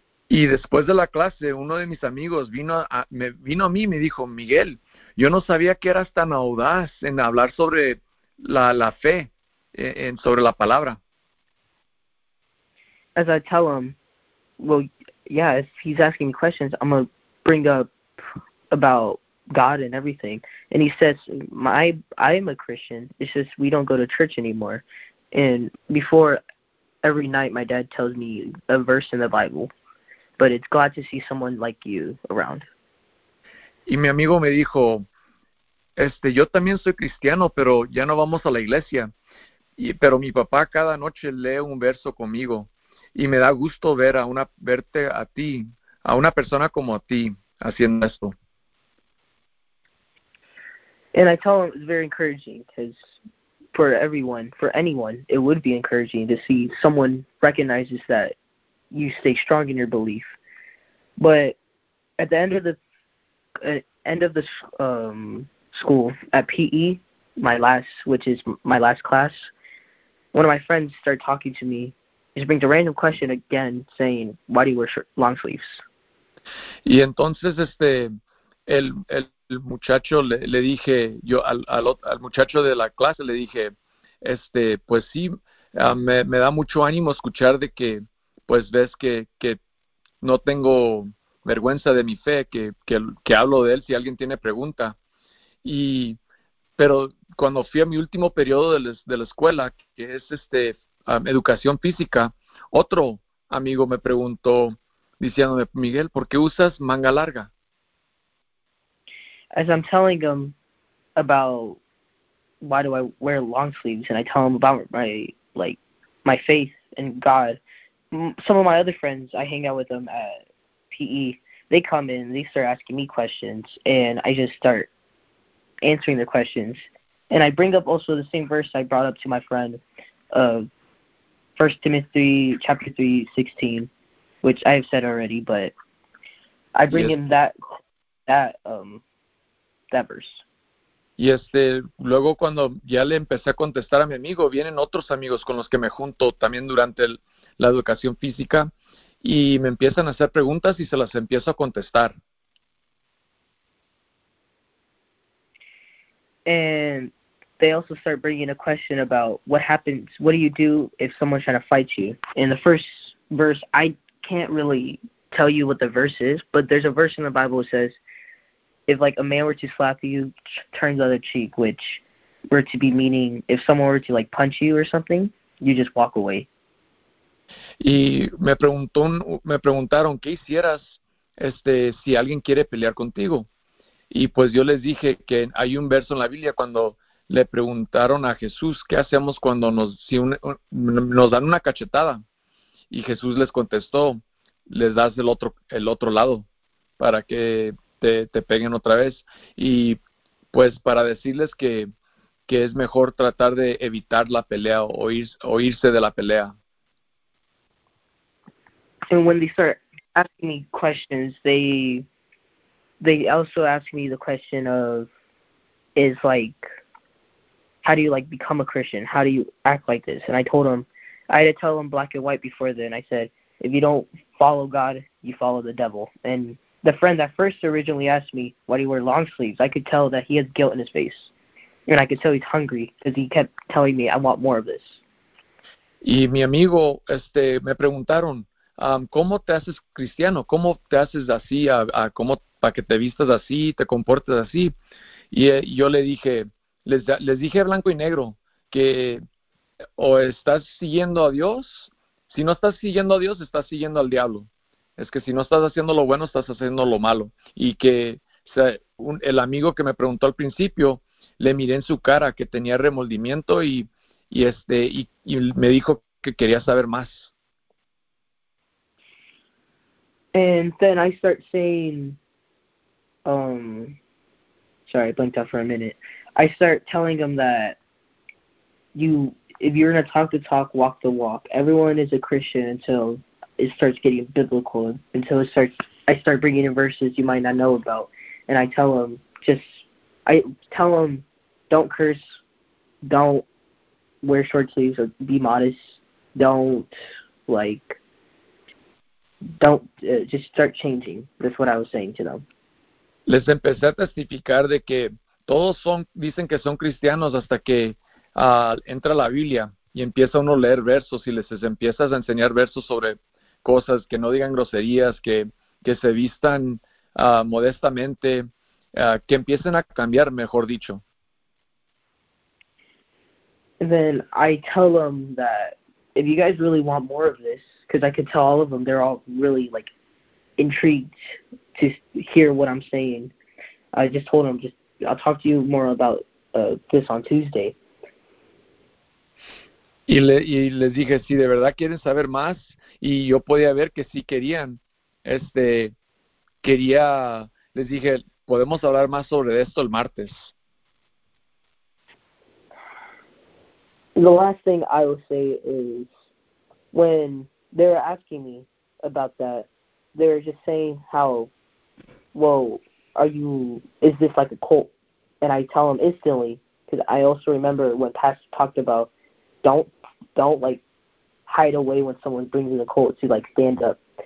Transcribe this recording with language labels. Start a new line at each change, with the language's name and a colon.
Spanish: Y después de la clase, uno de mis amigos vino a mí y me dijo, Miguel, yo no sabía que eras tan audaz en hablar sobre la fe, sobre la palabra.
English: As I tell him, well, yeah, if he's asking me questions, I'm going to bring up about God and everything. And he says, I'm a Christian, it's just we don't go to church anymore. And before every night, my dad tells me a verse in the Bible. But it's glad to see someone like you around.
Spanish: Y mi amigo me dijo, yo también soy cristiano, pero ya no vamos a la iglesia. Pero mi papá cada noche lee un verso conmigo. Y me da gusto verte a ti, a una persona como a ti, haciendo esto.
English: And I tell him it's very encouraging, because for everyone, for anyone, it would be encouraging to see someone recognizes that you stay strong in your belief. But at the end of the school, at PE, which is my last class, one of my friends started talking to me. He brings a random question again, saying, why do you wear long sleeves?
Spanish: Y entonces el muchacho de la clase le dije, pues sí, me da mucho ánimo escuchar de que pues ves que no tengo vergüenza de mi fe, que hablo de él si alguien tiene pregunta. Pero cuando fui a mi último periodo de la escuela, que es educación física, otro amigo me preguntó, diciéndome, Miguel, ¿por qué usas manga larga?
English: As I'm telling him about why do I wear long sleeves, and I tell him about my faith in God, some of my other friends, I hang out with them at PE, they come in, they start asking me questions, and I just start answering their questions. And I bring up also the same verse I brought up to my friend, 1 Timothy chapter 3:16, which I have said already, but I bring him that verse.
Spanish: Y luego cuando ya le empecé a contestar a mi amigo, vienen otros amigos con los que me junto también durante la educación física, y me empiezan a hacer preguntas y se las empiezo a contestar.
English: And they also start bringing a question about what happens, what do you do if someone's trying to fight you? And the first verse, I can't really tell you what the verse is, but there's a verse in the Bible that says, if like a man were to slap you, turn the other cheek, which were to be meaning if someone were to like punch you or something, you just walk away.
Spanish: Y me preguntaron qué hicieras si alguien quiere pelear contigo. Y pues yo les dije que hay un verso en la Biblia cuando le preguntaron a Jesús qué hacemos cuando nos dan una cachetada. Y Jesús les contestó, les das el otro lado para que te peguen otra vez. Y pues para decirles que es mejor tratar de evitar la pelea o irse de la pelea.
English: And when they start asking me questions, they also ask me the question of, is like, how do you like become a Christian? How do you act like this? And I told them, I had to tell them black and white before then. I said, if you don't follow God, you follow the devil. And the friend that first originally asked me why do you wear long sleeves, I could tell that he has guilt in his face. And I could tell he's hungry because he kept telling me, I want more of this.
Spanish: Y mi amigo, me preguntaron, ¿cómo te haces cristiano? ¿Cómo te haces así? ¿Cómo para que te vistas así, te comportes así? Y yo le dije, les dije blanco y negro, que o estás siguiendo a Dios, si no estás siguiendo a Dios, estás siguiendo al diablo. Es que si no estás haciendo lo bueno, estás haciendo lo malo. Y que o sea, el amigo que me preguntó al principio, le miré en su cara que tenía remordimiento y me dijo que quería saber más.
English: And then I start saying, sorry, I blanked out for a minute. I start telling them that if you're going to talk the talk, walk the walk. Everyone is a Christian until it starts getting biblical, I start bringing in verses you might not know about. And I tell them, don't curse, don't wear short sleeves or be modest, just start changing. That's what I was saying to them.
Spanish: Les empecé a testificar de que todos dicen que son cristianos hasta que entra la Biblia y empieza uno a leer versos y les empiezas a enseñar versos sobre cosas que no digan groserías, que se vistan modestamente, que empiecen a cambiar, mejor dicho.
English: And then I tell them that if you guys really want more of this, because I could tell all of them, they're all really, like, intrigued to hear what I'm saying. I just told them, I'll talk to you more about this on Tuesday.
Spanish: Y les dije, si de verdad quieren saber más, y yo podía ver que sí querían, les dije, podemos hablar más sobre esto el martes.
English: The last thing I will say is, when they're asking me about that, they're just saying how, well, is this like a cult? And I tell them instantly, because I also remember when Pastor talked about, don't like hide away when someone brings in a cult to like stand up.